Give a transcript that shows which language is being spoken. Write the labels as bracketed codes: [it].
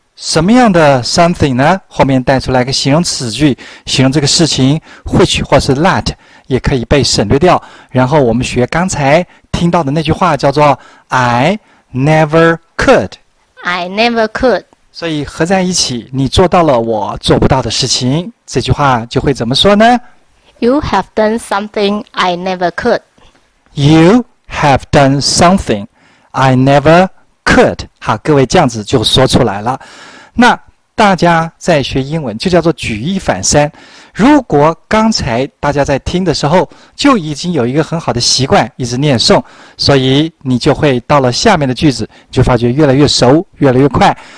[zh] 什么样的 something 呢？后面带出来一个形容词句，形容这个事情 ，which 或是 that 也可以被省略掉。然后我们学刚才听到的那句话，叫做 [en] I never could. I never could. [zh] 所以合在一起，你做到了我做不到的事情，这句话就会怎么说呢？ [en] You have done something I never could. You have done something I never could. [zh] 好，各位这样子就说出来了。那大家在学英文就叫做举一反三。如果刚才大家在听的时候就已经有一个很好的习惯，一直念诵，所以你就会到了下面的句子，就发觉越来越熟，越来越快。